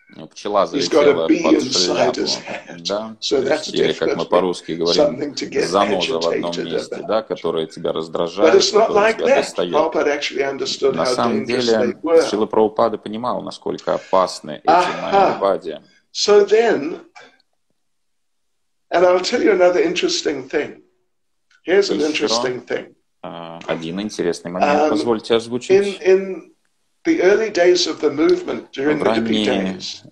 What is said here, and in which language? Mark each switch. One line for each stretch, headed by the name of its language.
Russian: Пчела залетела под шляпу. Да, или как мы по-русски говорим, заноза в одном месте, да, которая тебя раздражает, которая тебя достает. На самом деле, Шрила Прабхупада понимал, насколько опасны эти майявади.
English: So then, and I'll tell you another interesting thing. Here's an interesting thing.
Russian: Один интересный момент, позвольте озвучить.
English: In the early days of the movement, during the hippie days,